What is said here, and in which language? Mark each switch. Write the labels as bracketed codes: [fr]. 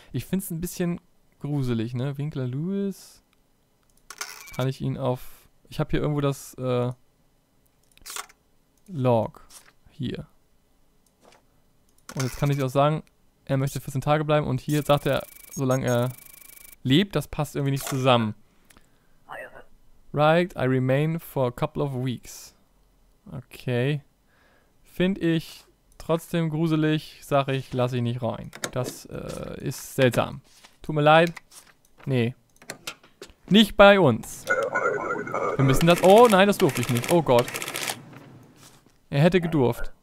[de] Ich finde es ein bisschen gruselig, ne? Winkler Lewis. Kann ich ihn auf... Ich habe hier irgendwo das Log. Hier. Und jetzt kann ich auch sagen, er möchte 14 Tage bleiben. Und hier sagt er, solange er lebt, das passt irgendwie nicht zusammen. [en] Right, I remain for a couple of weeks. Okay. [de] Finde ich trotzdem gruselig, sage ich, lasse ich nicht rein. Das ist seltsam. Tut mir leid. Nee. Nicht bei uns. Wir müssen das... Oh nein, das durfte ich nicht. Oh Gott. Er hätte gedurft.